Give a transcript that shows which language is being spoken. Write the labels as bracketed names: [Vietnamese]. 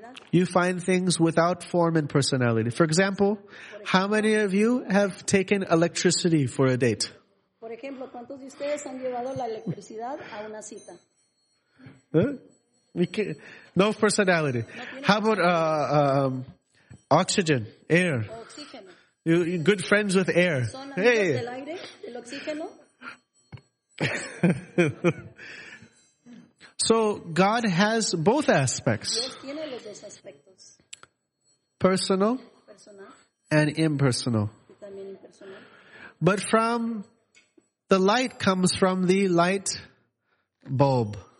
[English] You find things without form and personality. For example, how many of you have taken electricity for a date? [Spanish] Por ejemplo, ¿cuántos de ustedes han llevado la electricidad a una cita? [English] Huh? No personality. How about oxygen, air? [Spanish] Oxígeno. [English] You're good friends with air. [Spanish] Son amigos del aire, del oxígeno. [English] So God has both aspects. [Spanish] Dios tiene los dos aspectos. [English] Personal, [Spanish] personal [English] and impersonal. [Spanish] Y también impersonal. [English] But from the light comes from the light bulb.